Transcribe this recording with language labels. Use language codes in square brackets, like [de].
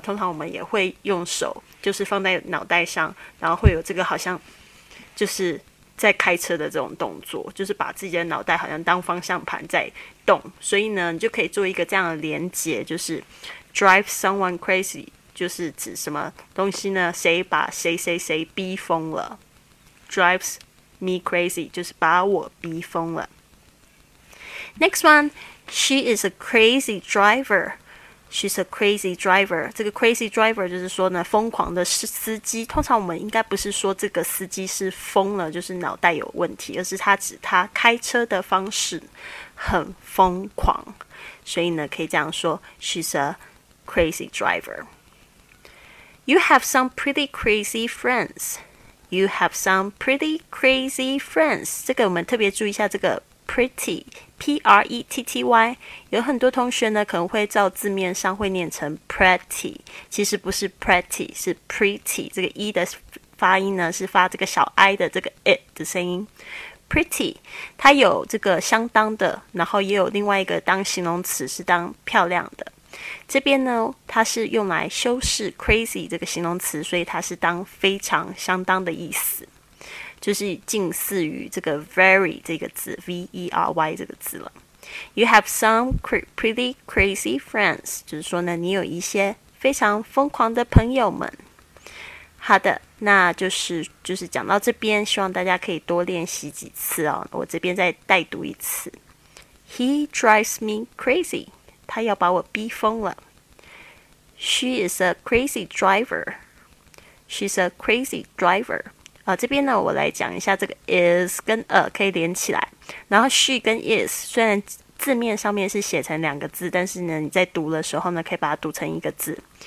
[zh] 通常我们也会用手，就是放在脑袋上，然后会有这个好像就是在开车的这种动作，就是把自己的脑袋好像当方向盘在动，所以呢，你就可以做一个这样的连结，就是 [en] drive someone crazy， [zh] 就是指什么东西呢？谁把谁谁谁逼疯了？ [en] drives me crazy， [zh] 就是把我逼疯了。 [en] Next one， she is a crazy driver。 She's a crazy driver. [zh] 这个 [en] crazy driver [zh] 就是说呢，疯狂的司机。通常我们应该不是说这个司机是疯了，就是脑袋有问题，而是他指他开车的方式很疯狂。所以呢，可以这样说 ， [en] She's a crazy driver. You have some pretty crazy friends. You have some pretty crazy friends. [zh] 这个我们特别注意一下这个。 [en] Pretty, P-R-E-T-T-Y. [zh] 有很多同学呢，可能会照字面上会念成 pretty， 其实不是 pretty， 是 pretty。这个 e 的发音呢，是发这个小 i 的这个 it 的声音。 Pretty， 它有这个相当的，然后也有另外一个当形容词，是当漂亮的。这边呢，它是用来修饰 crazy 这个形容词，所以它是当非常、相当的意思。就是近似于这个 very 这个字 ，V-E-R-Y 这个字了。 [en] You have some pretty crazy friends， [zh] 就是说呢，你有一些非常疯狂的朋友们。好的，那就是讲到这边，希望大家可以多练习几次哦。我这边再带读一次 ： [en] He drives me crazy， [zh] 他要把我逼疯了。 [en] She is a crazy driver， she's a crazy driver。 [zh] 这边呢，我来讲一下这个 is 跟 a 可以连起来。然后 she 跟 is 虽然字面上面是写成两个字，但是呢，你在读的时候呢，可以把它读成一个字。